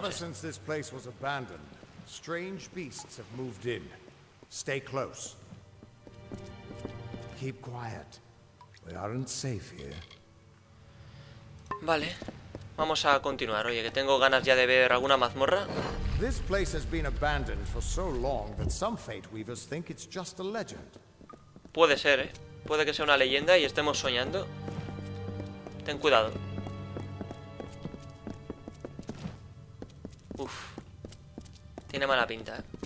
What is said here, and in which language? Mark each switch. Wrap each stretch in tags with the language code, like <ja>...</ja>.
<en>Ever since this place was abandoned, strange beasts have moved in. Stay close. Keep quiet. We aren't safe here.</en> <es>Vale. Vamos a continuar, oye, que tengo ganas ya de ver alguna mazmorra.</es> <en>This place has been abandoned for so long that some fate weavers think it's just a legend.</en> <es>Puede ser, ¿eh? Puede que sea una leyenda y estemos soñando. Ten cuidado. Uf. Tiene mala pinta, ¿eh?</es>